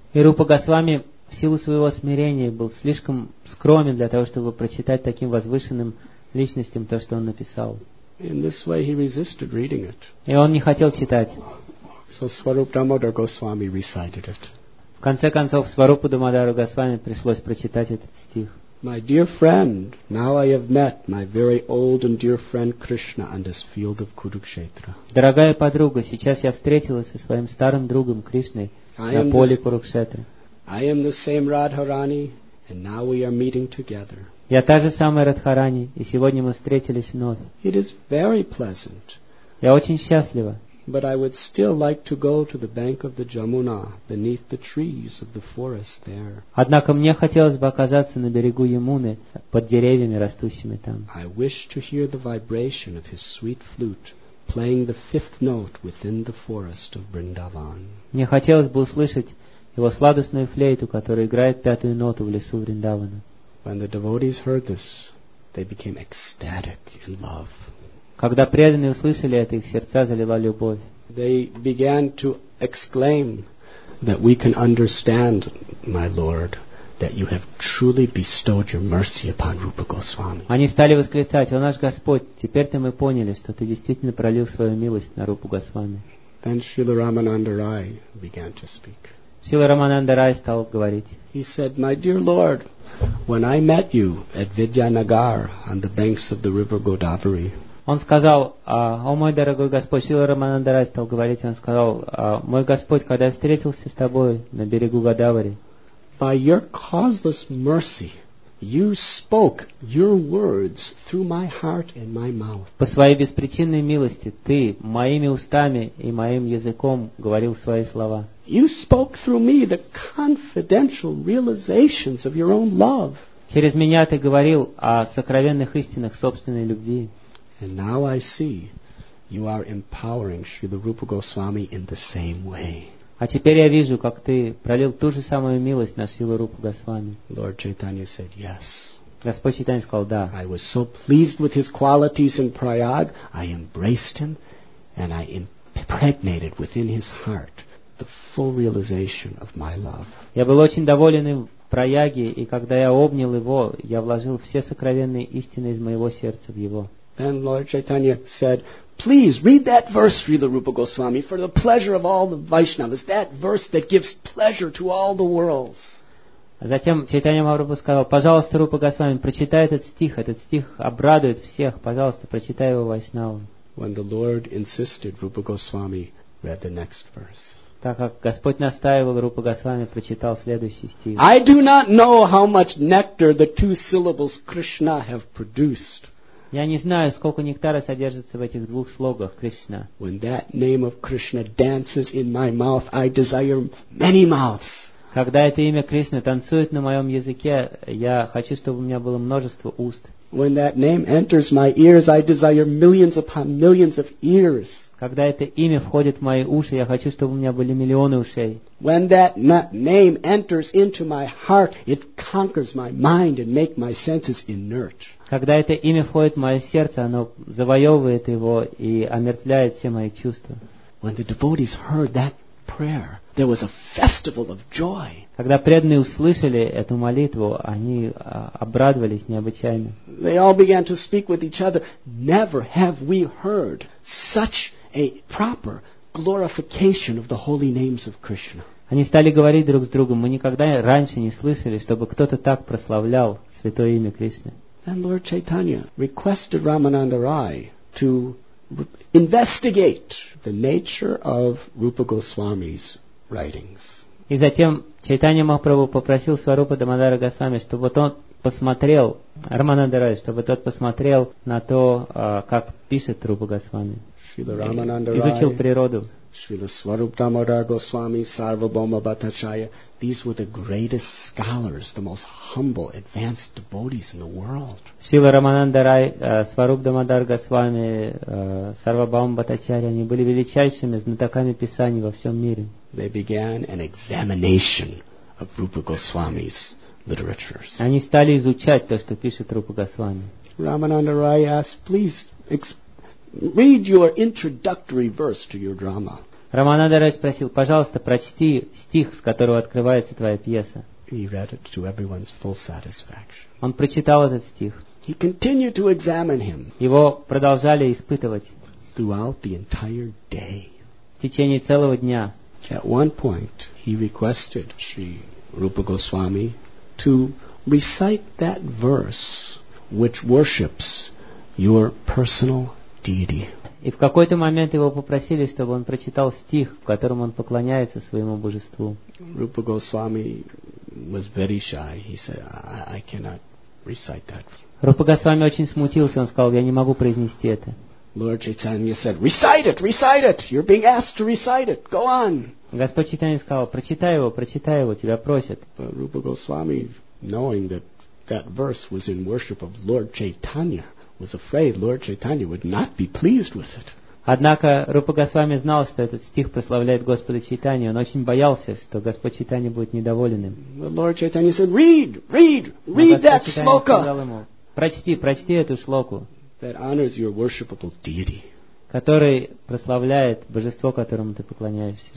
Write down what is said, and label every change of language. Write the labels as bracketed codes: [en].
[ru] И Рупа Госвами в силу своего смирения был слишком скромен для того, чтобы прочитать таким возвышенным личностям то, что он написал. [en] In this way he resisted reading it. [ru] И он не хотел читать. [en] So Swarup Damodara Goswami recited it. [ru] В конце концов, Сварупа Дамодара Госвами пришлось прочитать этот стих. [en] My dear friend, now I have met my very old and dear friend Krishna on this field of Kurukshetra. [ru] Дорогая подруга, сейчас я встретилась со своим старым другом Кришной на поле Курукшетры. [en] I am the same Radharani, and now we are meeting together. [ru] Я та же самая Радхарани, и сегодня мы встретились вновь. [en] It is very pleasant. [ru] Я очень счастлива. [en] But I would still like to go to the bank of the Jamuna, beneath the trees of the forest there. [ru] Однако мне хотелось бы оказаться на берегу Ямуны, под деревьями растущими там. [en] I wish to hear the vibration of his sweet flute playing the fifth note within the forest of Vrindavan. [ru] Мне хотелось бы услышать его сладостную флейту, которая играет пятую ноту в лесу Вриндавана. [en] When the devotees heard this, they became ecstatic in love. [ru] Когда преданные услышали это, их сердца залила любовь. [en] They began to exclaim that we can understand, my Lord, that you have truly bestowed your mercy upon Rupa Goswami. [ru] Они стали восклицать: "О наш Господь, теперь-то мы поняли, что ты действительно пролил свою милость на Рупу Госвами." [en] Then Srila Ramananda Rai began to speak. [ru] Srila Ramananda Rai стал говорить. [en] He said, "My dear Lord, when I met you at Vidyanagar on the banks of the river Godavari." [ru] Он сказал: "О мой дорогой Господь, Srila Ramananda Rai стал говорить, он сказал: "Мой Господь, когда я встретился с тобой на берегу Годавари, [en] by your causeless mercy, you spoke your words through my heart and my mouth." [ru] По своей беспричинной милости ты моими устами и моим языком говорил свои слова. [en] You spoke through me the confidential realizations of your own love. [ru] Через меня ты говорил о сокровенных истинах собственной любви. [en] And now I see you are empowering Srila Rupa Goswami in the same way. [ru] А теперь я вижу, как ты пролил ту же самую милость на Шрилу Рупу Госвами. [en] Lord Chaitanya said, yes. [ru] Господь Чайтанья сказал, да. [en] I was so pleased with his qualities in Prayag, I embraced him and I impregnated within his heart the full realization of my love. [ru] Я был очень доволен им в Праяге, и когда я обнял его, я вложил все сокровенные истины из моего сердца в его. [en] Then Lord Chaitanya said, please read that verse, Srila Rupa Goswami, for the pleasure of all the Vaishnavas, that verse that gives pleasure to all the worlds. [ru] Затем Чайтанья Махапрабху сказал, пожалуйста, Рупа Госвами, прочитай этот стих обрадует всех, пожалуйста, прочитай его Вайшнавам. [en] When the Lord insisted, Rupa Goswami read the next verse. [ru] Так как Господь настаивал, Рупа Госвами прочитал следующий стих. [en] I do not know how much nectar the two syllables Krishna have produced. [ru] Я не знаю, сколько нектара содержится в этих двух слогах Кришна. [en] When that name of Krishna dances in my mouth, I desire many mouths. [ru] Когда это имя Кришны танцует на моем языке, я хочу, чтобы у меня было множество уст. [en] When that name enters my ears, I desire millions upon millions of ears. [ru] Когда это имя входит в мои уши, я хочу, чтобы у меня были миллионы ушей. [en] When that name enters into my heart, it conquers my mind and makes my senses inert. [ru] Когда это имя входит в мое сердце, оно завоевывает его и омертвляет все мои чувства. [en] When the devotees heard that prayer, there was a festival of joy. Когда преданные услышали эту молитву, они обрадовались необычайно. They all began to speak with each other. Never have we heard such a proper glorification of the holy names of Krishna. [ru] Они стали говорить друг с другом. Мы никогда раньше не слышали, чтобы кто-то так прославлял святое имя Кришны. [en] And Lord Chaitanya requested Ramananda Rai to investigate the nature of Rupa Goswami's writings. [ru] И затем Чайтанья Махапрабху попросил Сварупа Дамодара Госвами, чтобы тот посмотрел, Рамананда Рай, чтобы тот посмотрел на то, как пишет Рупа Госвами. Изучил природу. [en] Srila Swarup Damodara Goswami, Sarvabhauma Bhattacharya, these were the greatest scholars, the most humble, advanced devotees in the world. [ru] Srila Ramananda Rai, Swarup Damodara Goswami, Sarvabhauma Bhattacharya, они были величайшими знатоками писаний во всем мире. [en] They began an examination of Rupa Goswami's literatures. [ru] Они стали изучать то, что пишет Рупа Госвами. [en] Ramananda Rai asked, please read your introductory verse to your drama. [ru] Рамананда Рай спросил, пожалуйста, прочти стих, с которого открывается твоя пьеса. [en] He read it to everyone's full satisfaction. [ru] Он прочитал этот стих. [en] He continued to examine him. [ru] Его продолжали испытывать. [en] Throughout the entire day. [ru] В течение целого дня. [en] At one point, he requested Sri Rupa Goswami to recite that verse which worships your personal deity. [ru] И в какой-то момент его попросили, чтобы он прочитал стих, в котором он поклоняется своему божеству. [en] Rupa Goswami was very shy. He said, I cannot recite that. [ru] Rupa Goswami очень смутился. Он сказал, я не могу произнести это. [en] Lord Chaitanya said, recite it. You're being asked to recite it. Go on. [ru] Господь Чайтанья сказал, прочитай его, тебя просят. [en] But Rupa Goswami, knowing that that verse was in worship of Lord Chaitanya, was afraid Lord Chaitanya would not be pleased with it. [ru] Однако Рупа Госвами знал, что этот стих прославляет Господа Чайтанью. Он очень боялся, что Господь Чайтанья будет недоволен им. [en] Lord Chaitanya said, read, read, read that shloka. [ru] Прочти, прочти эту шлоку. [en] That honors your worshipable deity. [ru] Который прославляет божество, которому ты поклоняешься.